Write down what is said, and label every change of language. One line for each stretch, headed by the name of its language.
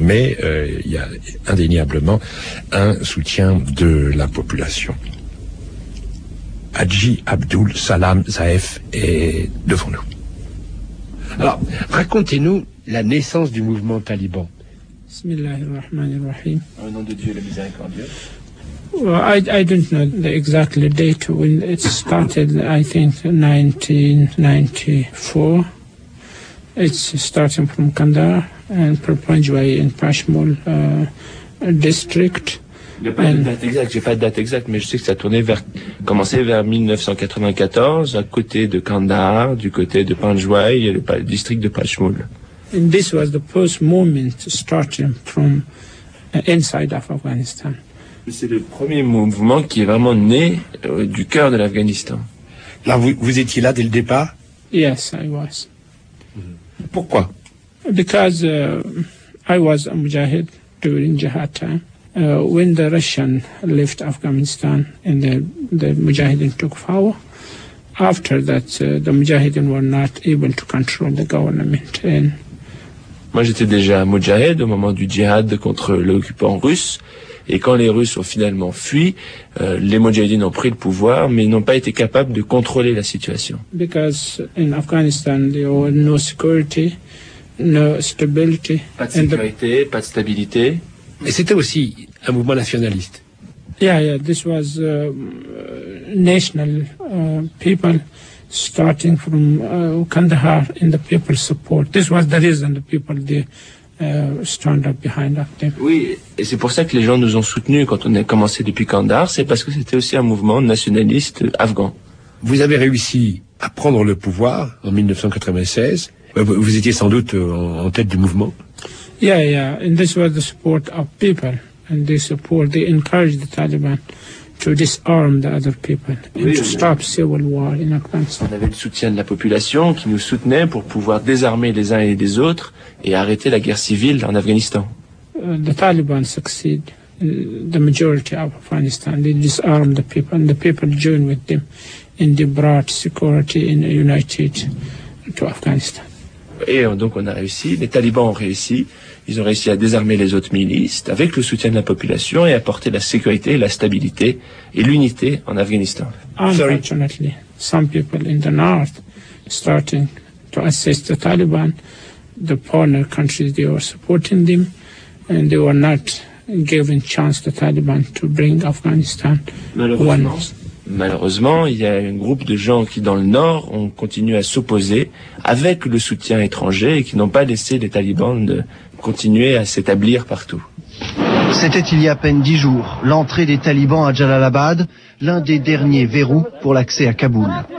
French: Mais il y a indéniablement un soutien de la population. Haji Abdul Salam Zaef est devant nous. Alors, racontez-nous la naissance du mouvement taliban.
Arabic: Bismillahirrahmanirrahim.
French: Au nom de Dieu, le miséricordieux.
English: Well, I don't know the exact date when it started. I think 1994. It's starting from Kandahar and Purpanjwai in Pashmul district.
French: Il n'y a pas de date exacte, j'ai pas de date exacte, mais je sais que ça tournait vers, commencé vers 1994, à côté de Kandahar, du côté de Panjwai, et le district de Pashmul.
English: And this was the first movement starting from inside of Afghanistan.
French: C'est le premier mouvement qui est vraiment né du cœur de l'Afghanistan. Là, vous étiez là dès le départ?
English: Yes, I was.
French: Pourquoi?
English: Because I was a mujahid during jihad time. When the Russian left Afghanistan and the Mujahideen took power, after that the Mujahideen were not able to control the government. And
French: moi j'étais déjà Mujahide au moment du djihad contre l'occupant russe, et quand les Russes ont finalement fui, les Mujahideen ont pris le pouvoir, mais n'ont pas été capables de contrôler la situation.
English: Because in Afghanistan there were no security, no stability.
French: Pas de sécurité, pas de stabilité. Et c'était aussi un mouvement nationaliste.
English: Yeah, this was national people starting from Kandahar in the people's support. This was the reason the people they stand up behind them.
French: Oui, et c'est pour ça que les gens nous ont soutenus quand on a commencé depuis Kandahar, c'est parce que c'était aussi un mouvement nationaliste afghan. Vous avez réussi à prendre le pouvoir en 1996. Vous étiez sans doute en tête du mouvement.
English: Yeah, and this was the support of people, and they support, they encourage the Taliban to disarm the other people and to stop civil war in Afghanistan.
French: On avait le soutien de la population qui nous soutenait pour pouvoir désarmer les uns et les autres et arrêter la guerre civile en Afghanistan.
English: The Taliban succeed, the majority of Afghanistan, they disarm the people, and the people join with them, and they brought security and united to Afghanistan.
French: Et donc on a réussi, les talibans ont réussi, ils ont réussi à désarmer les autres milices avec le soutien de la population et apporter la sécurité, la stabilité et l'unité en Afghanistan.
English: Unfortunately, some people in the north starting to assist the Taliban, the partner countries they were supporting them, and they were not given chance the Taliban to bring Afghanistan one.
French: Malheureusement, il y a un groupe de gens qui, dans le Nord, ont continué à s'opposer avec le soutien étranger et qui n'ont pas laissé les talibans continuer à s'établir partout. C'était il y a à peine 10 jours, l'entrée des talibans à Jalalabad, l'un des derniers verrous pour l'accès à Kaboul.